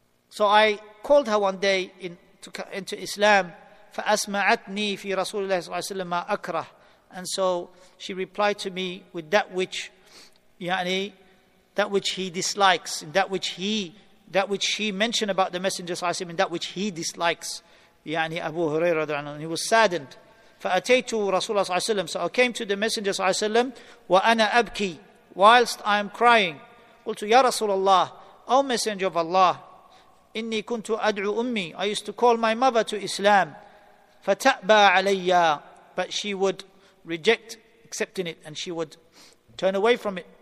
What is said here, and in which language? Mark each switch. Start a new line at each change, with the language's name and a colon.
English: So I called her one day to enter Islam.
Arabic: فَأَسْمَعَتْنِي فِي رَسُولِ اللَّهِ صلى الله عليه وسلم مَا أَكْرَهُ.
English: And so she replied to me with that which he dislikes, that which she mentioned about the Messenger
Arabic: صلى الله عليه وسلم,
English: that which he dislikes.
Arabic: يعني أبو هريرة رضي الله عنه,
English: and he was saddened.
Arabic: فأتيت رسول الله صلى الله عليه وسلم.
English: So I came to the Messenger
Arabic: صلى الله عليه وسلم. وأنا أبكي,
English: whilst I am crying.
Arabic: قلت يا رسول الله,
English: O Messenger of Allah,
Arabic: إني كنت أدعو أمي,
English: I used to call my mother to Islam.
Arabic: فَتَأْبَى عَلَيَّا.
English: But she would reject accepting it, and she would turn away from it.